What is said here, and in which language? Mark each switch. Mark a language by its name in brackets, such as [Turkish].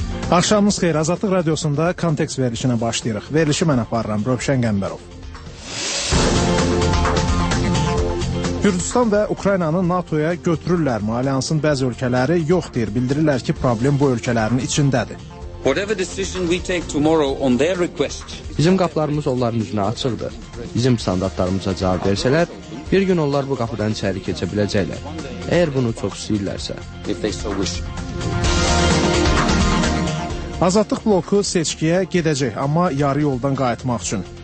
[Azerbaijani] Axşamınız xeyir, Azadlıq Radiosunda kontekst verilişinə başlayırıq. Verilişi mən aparıram, Rövşən Qəmbərov. Gürcüstan və Ukraynanı NATO-ya götürürlərmi? Alyansın bəzi ölkələri yox deyir, bildirirlər ki, problem bu ölkələrin içindədir. [English] Whatever decision we take tomorrow on their request. [Azerbaijani] Bizim qapılarımız onların üzünə açıqdır. Bizim standartlarımıza cavab versələr, bir gün onlar bu qapıdan içəri keçə biləcəklər. Əgər bunu çox istəyirlərsə. Azadlıq bloku seçkiyə gedəcək, amma yarı yoldan qayıtmaq üçün.